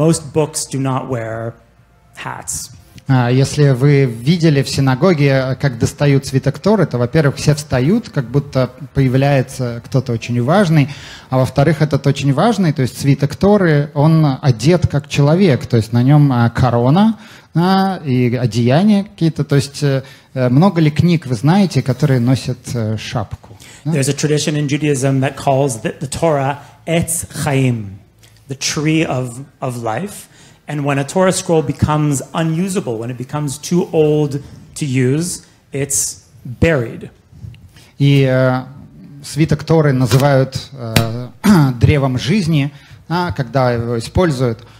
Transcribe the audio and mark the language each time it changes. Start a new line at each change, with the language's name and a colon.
English: Most books do not wear hats.
Russian: Если вы видели в синагоге, как достают свиток Торы, то, во-первых, все встают, как будто появляется кто-то очень важный, а во-вторых, этот очень важный, то есть свиток Торы, он одет как человек, то есть на нем корона, и одеяния какие-то. То есть много ли книг вы знаете, которые носят шапку?
English: There's a tradition in Judaism that calls the Torah Etz Chaim, the tree of life. And when a Torah scroll becomes unusable, when it becomes too old to use, it's buried.
Russian: И свиток Торы называют древом жизни, когда его используют.